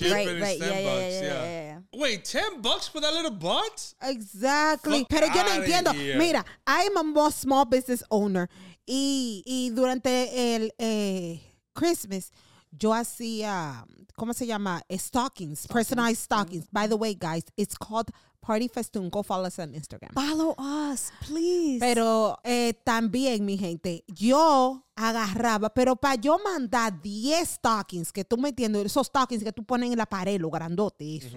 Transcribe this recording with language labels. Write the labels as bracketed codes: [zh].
[en] Right. Wait, $10 for that little butt? Exactly. Fuck, [es] pero yo no entiendo. [en] Here. Mira, I'm a small business owner. [es] Y durante el Christmas, yo hacía, ¿cómo se llama? [en] Stockings, personalized stockings. By the way, guys, it's called Party Festoon. Go follow us on Instagram. Follow us, please. [es] Pero también, mi gente, yo agarraba, pero para yo mandar 10 stockings, que tú me entiendes, esos stockings que tú pones en la pared, lo grandote, eso.